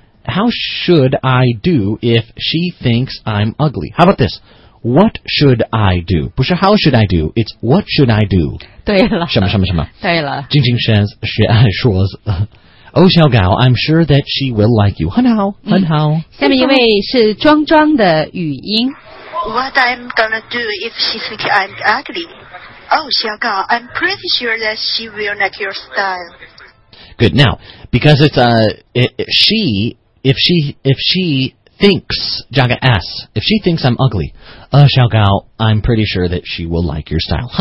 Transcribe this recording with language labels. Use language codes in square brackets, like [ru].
[en] How should I do if she thinks I'm ugly? How about this? What should I do? [zh] 不是 [en] how should I do? It's what should I do? [zh] 对了。什么什么什么。对了。 [en] 静静says, 雪爱说 Oh, 小高 I'm sure that she will like you. [zh] 很好、嗯、很好。下面一位是庄庄的语音。 [en] What I'm gonna do if she thinks I'm ugly? Oh, 小高 I'm pretty sure that she will not your style. Good. Now, because it's a, if she thinks, 加个 S, if she thinks I'm ugly, 小高 I'm pretty sure that she will like your style.